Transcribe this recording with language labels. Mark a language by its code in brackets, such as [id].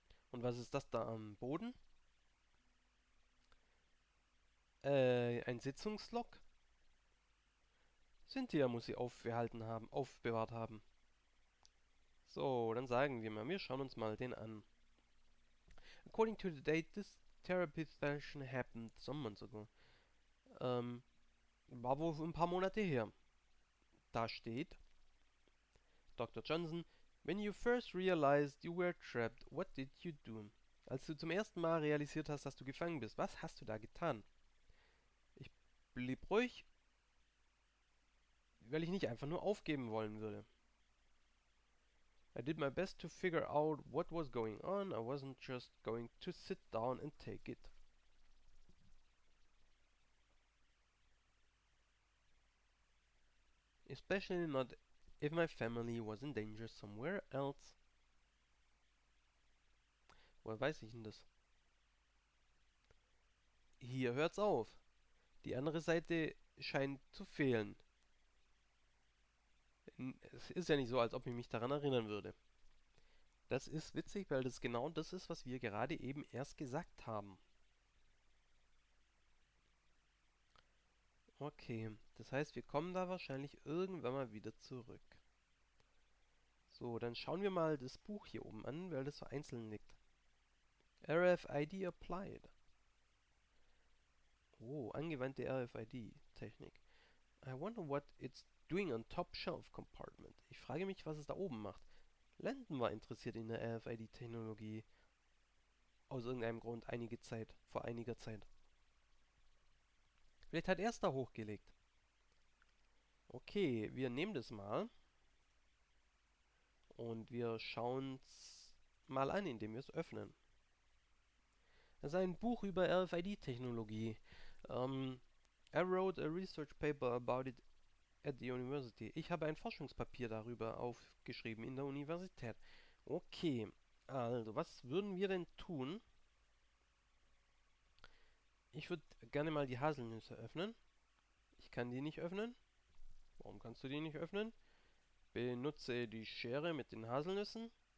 [de] Und was ist das da am Boden? Ein Sitzungslog? Cynthia muss sie aufbehalten haben, aufbewahrt haben. So, dann sagen wir mal, wir schauen uns mal den an. [en] According to the date, this therapy session happened some months ago. [de] War wohl ein paar Monate her. Da steht Dr. Johnson. [en] When you first realized you were trapped, what did you do? [de] Als du zum ersten Mal realisiert hast, dass du gefangen bist, was hast du da getan? Ich blieb ruhig, weil ich nicht einfach nur aufgeben wollen würde. [en] I did my best to figure out what was going on. I wasn't just going to sit down and take it. Especially not if my family was in danger somewhere else. [de] Woher weiß ich denn das? Hier hört's auf. Die andere Seite scheint zu fehlen. Es ist ja nicht so, als ob ich mich daran erinnern würde. Das ist witzig, weil das genau das ist, was wir gerade eben erst gesagt haben. Okay, das heißt, wir kommen da wahrscheinlich irgendwann mal wieder zurück. So, dann schauen wir mal das Buch hier oben an, weil das so einzeln liegt. [en] RFID applied. [de] Oh, angewandte RFID-Technik. [en] I wonder what it's doing on top shelf compartment. [de] Ich frage mich, was es da oben macht. Landon war interessiert in der RFID-Technologie. Aus irgendeinem Grund einige Zeit, vor einiger Zeit. Vielleicht hat er es da hochgelegt. Okay, wir nehmen das mal. Und wir schauen's mal an, indem wir es öffnen. Das ist ein Buch über RFID-Technologie. [en] I wrote a research paper about it at the university. [de] Ich habe ein Forschungspapier darüber aufgeschrieben in der Universität. Okay, also was würden wir denn tun? Ich würde gerne mal die Haselnüsse öffnen. Ich kann die nicht öffnen. Warum kannst du die nicht öffnen? Benutze die Schere mit den Haselnüssen.